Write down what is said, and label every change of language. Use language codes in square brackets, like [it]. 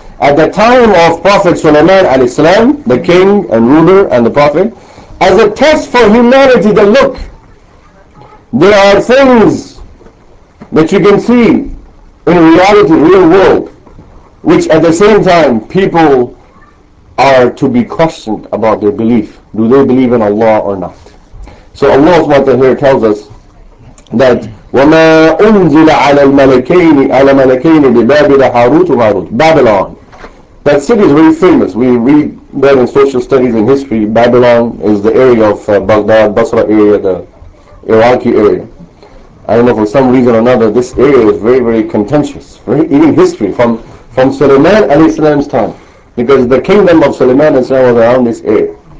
[en] At the time of Prophet Sulaiman alayhi salam, the king and ruler and the prophet, as a test for humanity, the look. There are things that you can see in reality, real world, which at the same time people are to be questioned about their belief. Do they believe in Allah or not? So Allah SWT here tells us that [ar] وَمَا أُنزِلَ عَلَى الْمَلَكَيْنِ عَلَى مَلَكَيْنِ بِبَابِلَ حَارُوتُ وَمَارُوتُ. [en] Babylon. That city is very famous. We read that in social studies in history. Babylon is the area of Baghdad, Basra area, the Iraqi area. I don't know, for some reason or another, this area is very, very contentious. Even history from Suleiman alayhi salam's time, because the kingdom of Suleiman alayhi salam was around this area.